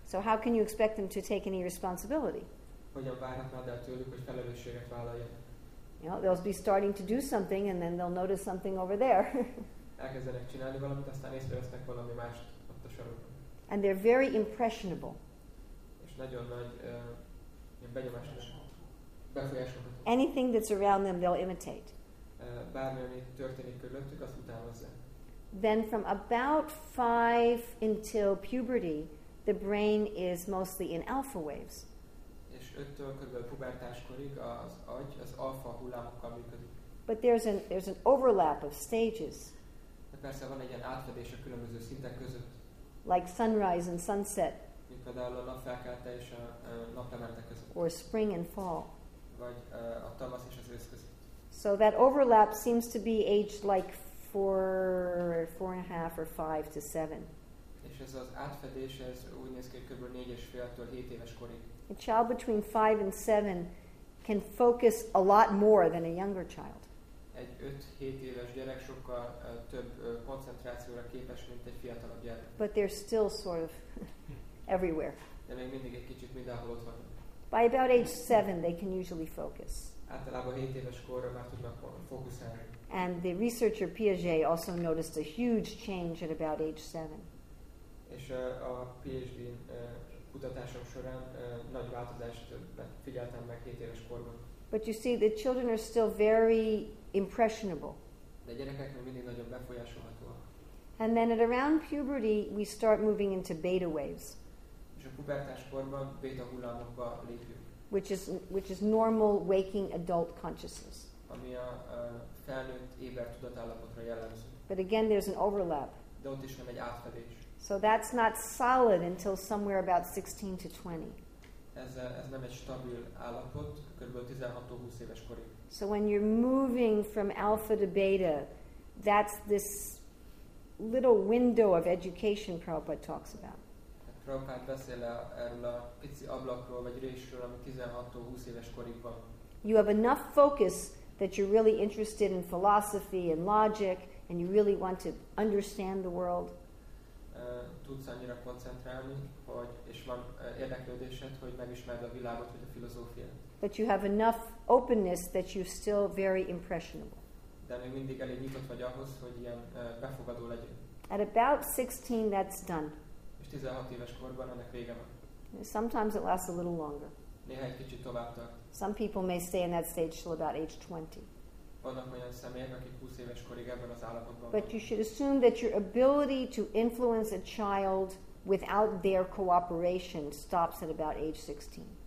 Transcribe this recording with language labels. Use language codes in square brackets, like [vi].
[en] So how can you expect them to take any responsibility? [hu] Hogyan várhatnád el tőlük, hogy felelősséget vállaljanak? [en] You know, they'll be starting to do something, and then they'll notice something over there. [hu] Elkezdenek csinálni valamit, aztán észrevesznek valami mást ott a sarokban. [en] And they're very impressionable. [hu] És nagyon nagy benyomásos, befolyásolható. [en] Anything that's around them, they'll imitate. [hu] Bármi, ami történik körülöttük, azt utánozzák. [en] Then from about 5 until puberty, the brain is mostly in alpha waves. [hu] És 5-től körülbelül pubertáskorig az agy az alfa hullámokkal működik. [en] But there's an overlap of stages. [hu] De persze van egy ilyen átfedés a különböző szintek között. [en] Like sunrise and sunset. [hu] Mint például a napfelkelte és a naplemente között. [en] Or spring and fall. [hu] Vagy a tavasz és az ősz között. [en] So that overlap seems to be aged like 4, 4.5 or 5 to 7. [hu] És ez az átfedés, ez úgy néz ki, körülbelül 4,5-től 7 éves korig. [en] A child between 5 and 7 can focus a lot more than a younger child. [hu] Egy 5-7 éves gyerek sokkal több koncentrációra képes, mint egy fiatalabb gyerek. [en] But they're still sort of everywhere. [hu] De még mindig egy kicsit mindenhol ott van. [en] By about age 7 they can usually focus. [hu] Általában 7 éves korra már tudnak fókuszálni. [en] And the researcher Piaget also noticed a huge change at about age 7. [hu] És a PhD-n kutatások során nagy változást figyeltem meg 7 éves korban. [en] But you see, the children are still very impressionable. [hu] De a gyerekek még mindig nagyon befolyásolhatóak. [en] And then at around puberty, we start moving into beta waves. [hu] És a pubertás korban beta hullámokba lépjük. [en] Which is normal waking adult consciousness. [hu] Ami a felnőtt éber tudatállapotra jellemző. [en] But again, there's an overlap. [hu] De ott is van egy átfedés. [en] So that's not solid until somewhere about 16 to 20. [hu] ez nem egy stabil állapot, körülbelül 16-20 éves korig. [en] So when you're moving from alpha to beta, that's this little window of education Prabhupada talks about. [hu] Prabhupada beszél erről a pici ablakról vagy résről, ami 16-20 éves korig van. [en] You have enough focus that you're really interested in philosophy and logic, and you really want to understand the world. [hu] Tudsz annyira koncentrálni, hogy és van érdeklődésed, hogy megismerd a világot vagy a filozófiát. [en] But you have enough openness that you're still very impressionable. [hu] De még mindig elég nyitott vagy ahhoz, hogy ilyen befogadó legyen. [en] At about 16, that's done. [hu] És 16 éves korban ennek vége van. [en] Sometimes it lasts a little longer. [hu] Néha egy kicsit tovább tart. [en] Some people may stay in that stage till about age 20. [hu] Vannak olyan személyek, akik 20 éves korig ebben az állapotban. [en] But you should assume that your ability to influence a child without their cooperation stops at about age 16.